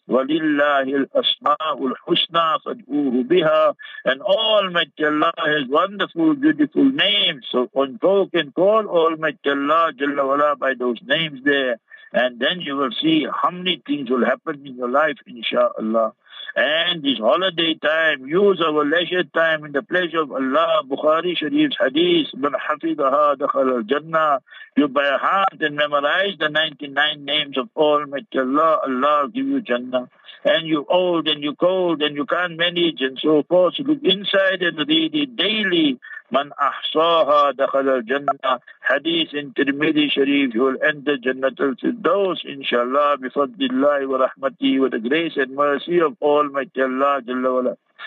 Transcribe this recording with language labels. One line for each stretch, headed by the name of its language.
Arabic: وَلِلَّهِ الْأَسْمَاءُ الْحُسْنَى فَادْعُوهُ بِهَا.
English: And Almighty Allah has wonderful, beautiful names. So invoke and call Almighty Allah Jalla Wala by those names there. And then you will see how many things will happen in your life, inshaAllah. And this holiday time, use our leisure time in the pleasure of Allah. Bukhari Sharif's hadith,
Arabic: من حفظها دخل الجنة.
English: You by heart and memorize the 99 names of all Almighty Allah, Allah will give you Jannah. And you old and you cold and you can't manage and so forth. So look inside and read it daily.
Arabic: من أحصاها دخل الجنة.
English: Hadith in Tirmidhi Sharif, you will enter Jannat al-Firdaus, inshallah,
Arabic: bifadlillahi wa rahmati,
English: with the grace and mercy of Almighty Allah, Jalla wa'ala.